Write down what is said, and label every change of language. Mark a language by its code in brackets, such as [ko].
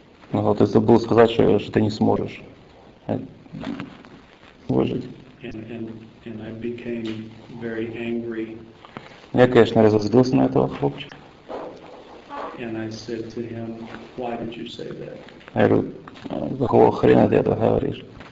[ru] Он сказал, ты забыл сказать, что ты не сможешь выжить. [en] And I became very angry. [ru] Я, конечно, разозлился на этого хлопчика. [en] And I said to him, why did you say that? [ru] Я говорю, какого хрена ты это говоришь?